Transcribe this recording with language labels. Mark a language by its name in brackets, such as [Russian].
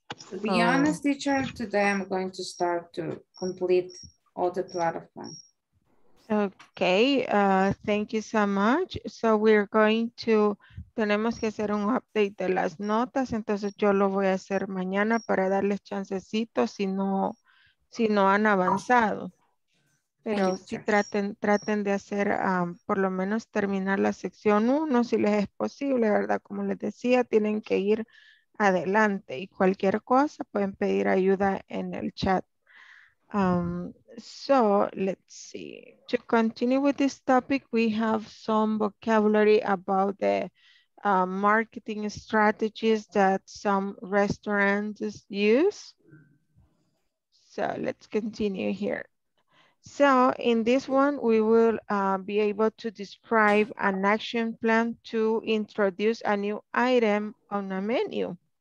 [English] To be honest, teacher, today I'm going to start to complete all the platform. Okay, thank you so much. So we're going to, [Spanish] tenemos que hacer un update de las notas, entonces yo lo voy a hacer mañana para darles chancecito si no han avanzado, pero si traten de hacer por lo menos terminar la sección 1 si les es posible, ¿verdad? Como les decía, tienen que ir adelante y cualquier cosa pueden pedir ayuda en el chat. [English] So let's see, to continue with this topic, we have some vocabulary about the marketing strategies that some restaurants use. So let's continue here. So in this one, we will be able to describe an action plan to introduce a new item on a menu.